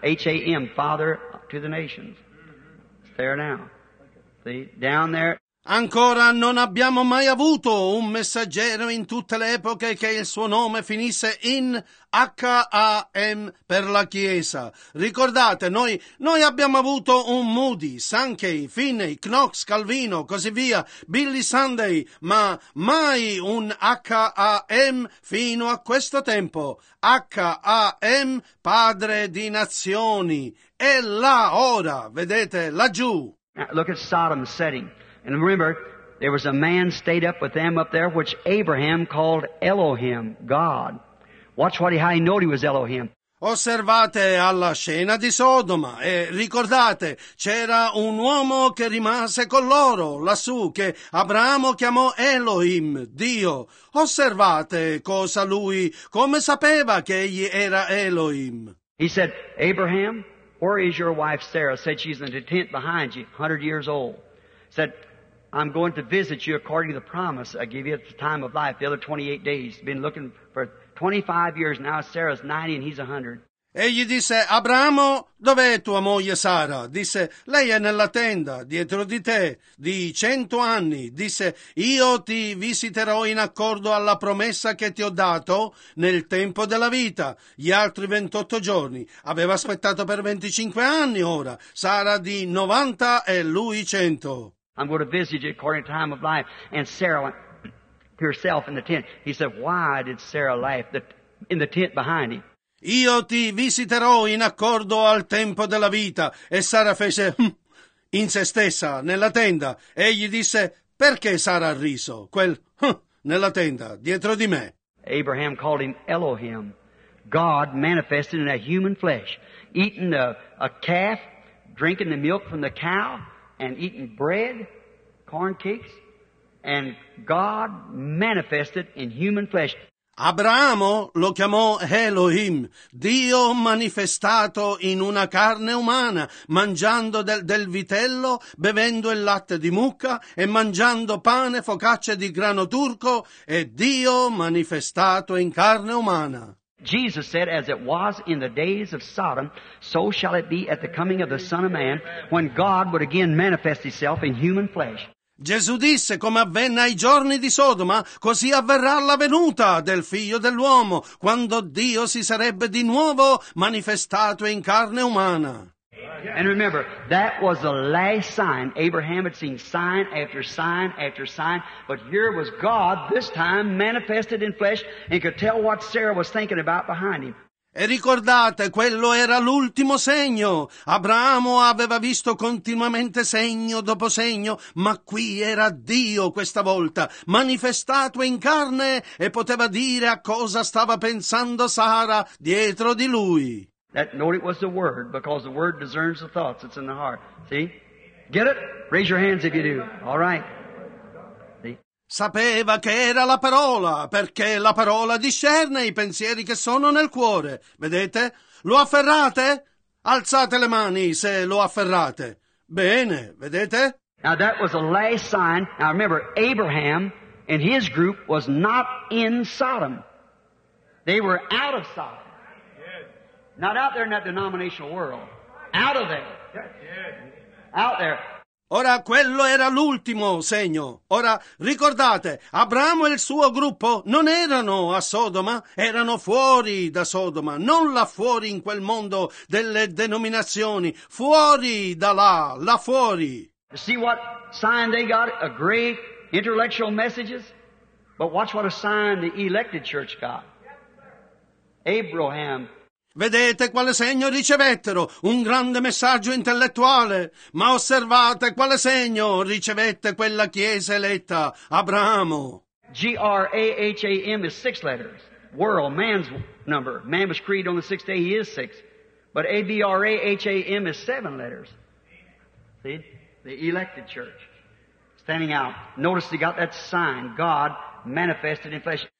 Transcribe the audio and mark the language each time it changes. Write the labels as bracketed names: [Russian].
[English] H-A-M, Father to the Nations. It's there now. See, down there. [Italian] Ancora non abbiamo mai avuto un messaggero in tutte le epoche che il suo nome finisse in H-A-M per la Chiesa. Ricordate, noi abbiamo avuto un Moody, Sankey, Finney, Knox, Calvino, così via, Billy Sunday, ma mai un H-A-M fino a questo tempo. H-A-M, Padre di Nazioni. È là ora, vedete, laggiù. [English] Look at Sodom's setting. And remember, there was a man stayed up with them up there, which Abraham called Elohim, God. Watch what how he knew he was Elohim. [Italian] Osservate alla scena di Sodoma e ricordate, c'era un uomo che rimase con loro lassù, che Abramo chiamò Elohim, Dio. Osservate cosa lui, come sapeva che egli era Elohim. [English] He said, Abraham, where is your wife Sarah? Said she's in the tent behind you, 100 years old. Said, I'm going to visit you according to the promise I give you at the time of life, the other 28 days. Been looking for 25 years now. Sarah's 90 and he's 100. [Italian] Egli disse, Abramo, dov'è tua moglie Sara? Disse, lei è nella tenda, dietro di te, di 100 anni. Disse, io ti visiterò in accordo alla promessa che ti ho dato nel tempo della vita, gli altri 28 giorni. Aveva aspettato per 25 anni ora, Sara di 90 e lui 100. [English] I'm going to visit you according to time of life. And Sarah went, herself in the tent. He said, why did Sarah laugh in the tent behind him? [Italian] Io ti visiterò in accordo al tempo della vita. E Sara fece in se stessa, nella tenda. Egli disse, perché Sara ha riso? Quel nella tenda, dietro di me. [English] Abraham called him Elohim, God manifested in a human flesh, eating a calf, drinking the milk from the cow, and eating bread, corn cakes, and God manifested in human flesh. [Italian] Abramo lo chiamò Elohim, Dio manifestato in una carne umana, mangiando del vitello, bevendo il latte di mucca e mangiando pane, focacce di grano turco, e Dio manifestato in carne umana. [English] Jesus said, as it was in the days of Sodom, so shall it be at the coming of the Son of Man, when God would again manifest himself in human flesh. [Italian] Gesù disse, come avvenne ai giorni di Sodoma, così avverrà la venuta del Figlio dell'uomo, quando Dio si sarebbe di nuovo manifestato in carne umana. [English] And remember, that was the last sign. Abraham had seen sign after sign after sign, but here was God, this time manifested in flesh, and could tell what Sarah was thinking about behind him. [Italian] E ricordate, quello era l'ultimo segno. Abramo aveva visto continuamente segno dopo segno, ma qui era Dio questa volta, manifestato in carne, e poteva dire a cosa stava pensando Sara dietro di lui. [English] That note it was the word, because the word discerns the thoughts, it's in the heart. See? Get it? Raise your hands if you do. All right. [Italian] Sapeva che era la parola, perché la parola discerne i pensieri che sono nel cuore. Vedete? Lo afferrate? Alzate le mani se lo afferrate. Bene, vedete? [English] Now that was the last sign. Now remember, Abraham and his group was not in Sodom. They were out of Sodom. Yes. Not out there in that denominational world. Out of there. Yes. Out there. [Italian] Ora, quello era l'ultimo segno. Ora, ricordate, Abramo e il suo gruppo non erano a Sodoma, erano fuori da Sodoma, non là fuori in quel mondo delle denominazioni, fuori da là, là fuori. [English] You see what sign they got? A great intellectual messages? But watch what a sign the elected church got. Abraham. [Italian] Vedete quale segno ricevettero? Un grande messaggio intellettuale. Ma osservate quale segno ricevette quella chiesa eletta, Abramo. [English] G-R-A-H-A-M is six letters. World, man's number. Man was created on the sixth day, he is six. But A-B-R-A-H-A-M is seven letters. See? The elected church. Standing out. Notice they got that sign. God manifested in flesh.